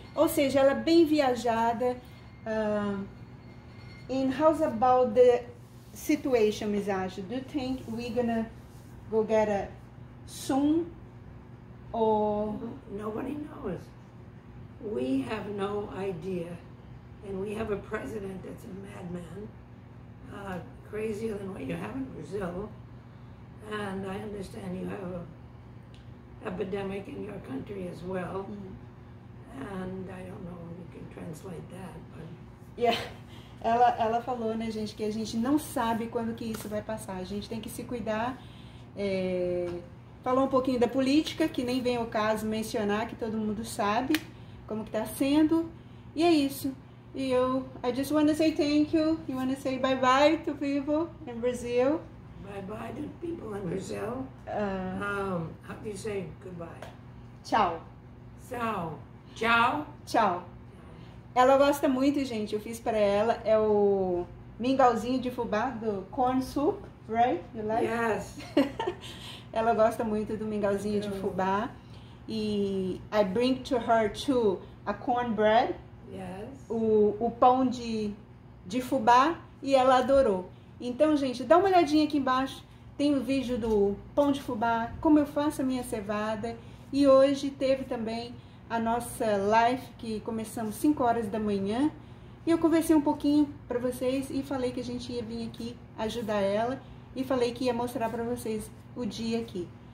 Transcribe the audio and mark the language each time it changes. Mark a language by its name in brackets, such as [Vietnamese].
[Portuguese] Ou seja, ela é bem viajada. [English] And how's about the situation, Miss Ash? Do you think we're gonna go get her soon? Or. Nobody knows. We have no idea. And we have a president that's a madman, crazier than what you have in Brazil. And I understand you have an epidemic in your country as well. And I don't know if you can translate that, but. [Portuguese] Ela falou, né, gente, que a gente não sabe quando que isso vai passar. A gente tem que se cuidar. Falou um pouquinho da política, que nem vem ao caso mencionar, que todo mundo sabe como que tá sendo. E é isso. E eu, [English] I just want to say thank you. You want to say bye-bye to people in Brazil. Bye-bye to people in Brazil. How do you say goodbye? [Portuguese] Tchau. [English] So, ciao. [Portuguese] Tchau. Ela gosta muito, gente. Eu fiz para ela é o mingauzinho de fubá do [English] corn soup, right? You like? Yes. [Portuguese] Ela gosta muito do [English] I [Portuguese] mingauzinho de do. fubá. [English] E I bring to her too a cornbread, Yes. [Portuguese] o pão de fubá, e ela adorou. Então, gente, dá uma olhadinha aqui embaixo. Tem o um vídeo do pão de fubá, como eu faço a minha cevada. E hoje teve também a nossa live, que começamos 5 horas da manhã, e eu conversei um pouquinho para vocês e falei que a gente ia vir aqui ajudar ela e falei que ia mostrar para vocês o dia aqui.